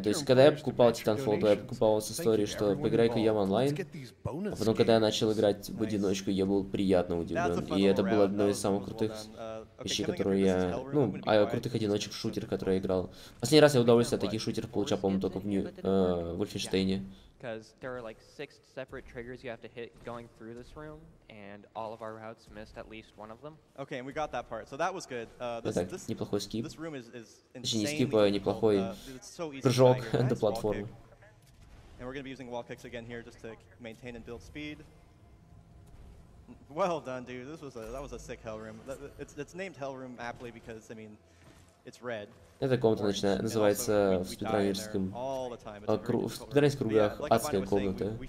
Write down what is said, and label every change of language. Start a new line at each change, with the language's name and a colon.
Russian: То есть, когда я покупал Titanfall 2, я покупал с историей, что поиграй-ка я в онлайн. А потом, когда я начал играть в одиночку, я был приятно удивлен. И это было одно из самых крутых вещей, которые я... Ну, а крутых одиночек в шутер, которые я играл. Последний раз я удовольствие от таких шутеров получал, по-моему, только в Вольфенштейне.
English: Because there are like six separate triggers you have to hit going through this room, and all of our routes missed at least one of them. Okay, and we got that part, so that was good.
Russian: Неплохой скип.
English: This room is insane.
Russian: Скип, а неплохой прыжок до платформы.
English: And we're gonna be using wall kicks again here just to maintain and build speed. Well done, dude. That was a sick hell room. It's named hell room aptly because I mean, it's red.
Russian: Эта комната называется в спидранерском кругах адская комната.